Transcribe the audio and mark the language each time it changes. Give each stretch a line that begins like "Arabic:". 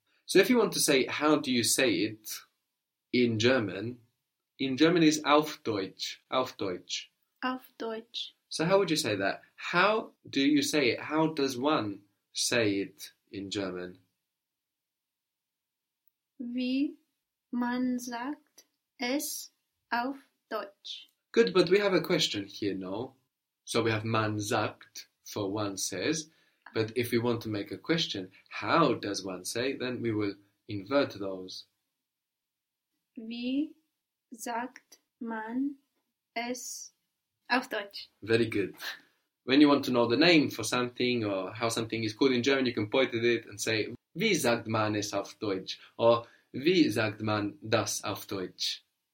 English: So if you want to say, how do you say it in German is
German: auf Deutsch. Auf Deutsch. Auf Deutsch.
English: So how would you say that? How do you say it? How does one say it in German?
German: Wie man sagt es auf Deutsch.
English: Good, but we have a question here, no? So we have
German: man sagt,
English: for one says, but if we want to make a question, how does one say, then we will invert those.
German: Wie sagt man es auf Deutsch?
English: Very good. When you want to know the name for something or how something is called in German, you can point at it and say,
German: wie sagt man es auf Deutsch? Or, wie sagt man das auf Deutsch?